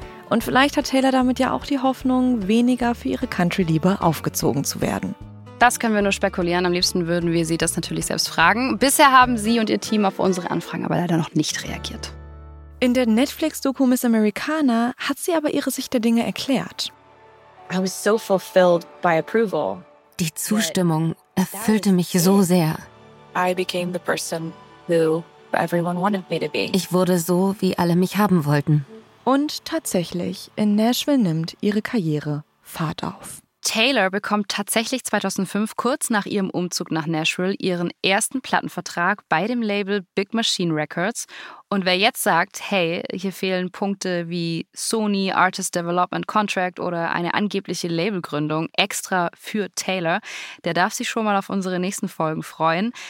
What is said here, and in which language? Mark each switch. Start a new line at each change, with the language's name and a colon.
German: Und vielleicht hat Taylor damit ja auch die Hoffnung, weniger für ihre Country-Liebe aufgezogen zu werden. Das können wir nur spekulieren. Am liebsten würden wir sie das natürlich selbst fragen. Bisher haben sie und ihr Team auf unsere Anfragen aber leider noch nicht reagiert. In der Netflix-Doku Miss Americana hat sie aber ihre Sicht der Dinge erklärt.
English: I was so fulfilled by approval.
German: Die Zustimmung erfüllte mich so sehr.
English: I became the person who everyone wanted me to be.
German: Ich wurde so, wie alle mich haben wollten. Und tatsächlich, in Nashville nimmt ihre Karriere Fahrt auf. Taylor bekommt tatsächlich 2005, kurz nach ihrem Umzug nach Nashville, ihren ersten Plattenvertrag bei dem Label Big Machine Records. Und wer jetzt sagt, hey, hier fehlen Punkte wie Sony, Artist Development Contract oder eine angebliche Labelgründung extra für Taylor, der darf sich schon mal auf unsere nächsten Folgen freuen.